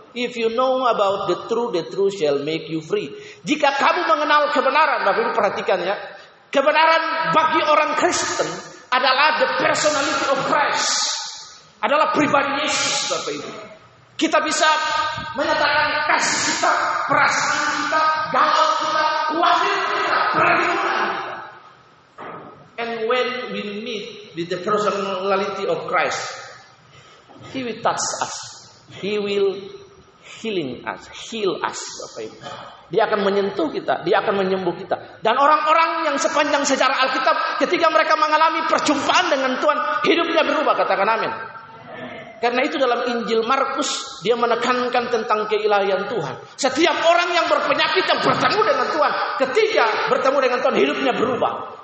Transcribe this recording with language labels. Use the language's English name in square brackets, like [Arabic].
[English] If you know about the truth shall make you free. [Indonesian] Jika kamu mengenal kebenaran, Bapak Ibu perhatikan ya. Kebenaran bagi orang Kristen adalah [English] the personality of Christ. [Indonesian] Adalah pribadi Yesus, Bapak Ibu. Kita bisa menyatakan kasih kita, perasaan kita, galau kita, khawatir kita, perhatikan. [English] And when we meet with the personality of Christ, He will touch us. He will healing us, heal us. [Indonesian] Bapak Ibu. Dia akan menyentuh kita, Dia akan menyembuh kita. Dan orang-orang yang sepanjang sejarah Alkitab, ketika mereka mengalami perjumpaan dengan Tuhan, hidupnya berubah. Katakan amin. Karena itu dalam Injil Markus, dia menekankan tentang keilahian Tuhan. Setiap orang yang berpenyakit yang bertemu dengan Tuhan, ketika bertemu dengan Tuhan, hidupnya berubah.